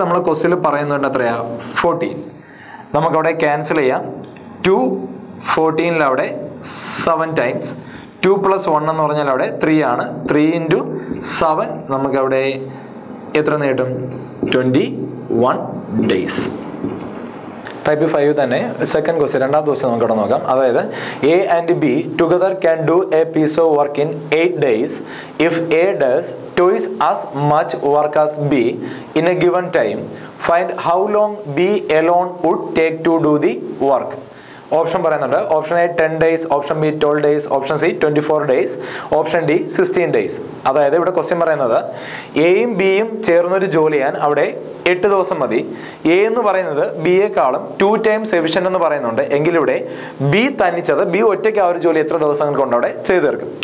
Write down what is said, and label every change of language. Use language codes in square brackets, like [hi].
[ml] നമ്മൾ ക്വസ്റ്റ്യനിൽ പറയുന്നുണ്ട് എത്രയാ, 14. നമുക്കവിടെ ക്യാൻസൽ ചെയ്യാം, 2 14 അവിടെ 7 times. 2 plus 1 എന്ന് പറഞ്ഞാൽ അവിടെ 3 ആണ്. 3 into 7 നമുക്ക് അവിടെ എത്ര നേടും? 21 days. Type 5 തന്നെ second question, രണ്ടാമത്തെ question നമുക്ക് അവിടെ നോക്കാം. [en] അതായത് A and B together can do a piece of work in 8 days if A does twice as much work as B in a given time. Find how long B alone would take to do the work. [ml] Option പറയുന്നുണ്ട്. Option A 10 days, option B 12 days, option C 24 days, option D 16 days. അതായത് ഇവിടെ question പറയുന്നത് എയും ബിയും ചേർന്നൊരു ജോലി ചെയ്യാൻ അവിടെ 8 ദിവസം മതി. എ എന്ന് പറയുന്നത് ബിയെക്കാളും 2 times എഫിഷ്യൻ്റ് എന്ന് പറയുന്നുണ്ട്. എങ്കിലിവിടെ ബി തനിച്ചത് ബി ഒറ്റയ്ക്ക് ആ ഒരു ജോലി എത്ര ദിവസങ്ങൾ കൊണ്ട് അവിടെ ചെയ്തു തീർക്കും.